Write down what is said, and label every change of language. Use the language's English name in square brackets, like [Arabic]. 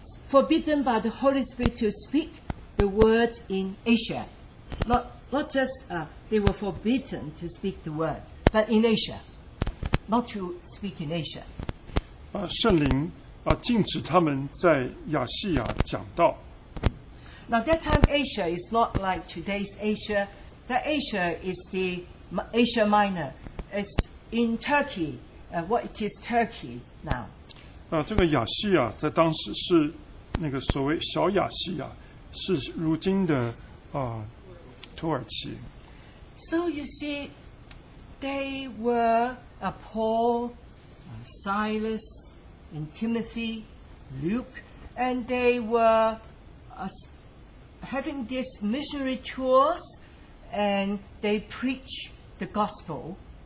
[English] Forbidden by the Holy Spirit to speak the words in Asia. Not just they were forbidden to speak the word, but in Asia, not to speak in Asia. [Chinese] 圣灵禁止他们在亚细亚讲道。 [English] Now that time Asia is not like today's Asia. That Asia is the Asia Minor. It's in Turkey. What it is Turkey now? [Chinese] 这个亚细亚在当时是那个所谓小亚细亚，是如今的土耳其。 [English] So you see, they were Paul, Silas, and Timothy, Luke, and they were having these missionary tours, and they preach the gospel.